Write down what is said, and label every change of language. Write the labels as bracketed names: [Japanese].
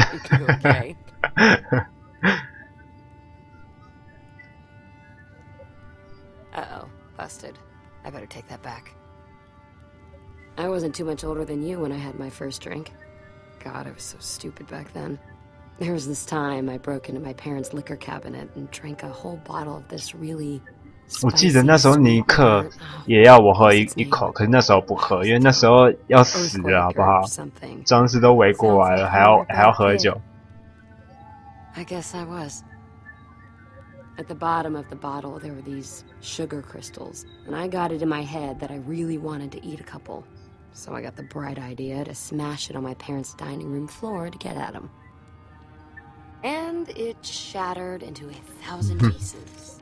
[English] Okay. [Chinese] 哈哈。 [English] Uh-oh, busted. I better take that back. I wasn't too much older than you when I had my first drink. God, I was so stupid back then. There was this time I broke into my parents' liquor cabinet and drank a whole bottle of this really spicy. [Chinese] 我记得那时候尼克也要我喝一口，可是那时候不喝，因为那时候要死了，好不好？僵尸都围过来了，还要喝酒。 [English] I guess I was. At the bottom of the bottle there were these sugar crystals, and I got it in my head that I really wanted to eat a couple. So I got the bright idea to smash it on my parents' dining room floor to get at them. And it shattered into a thousand pieces.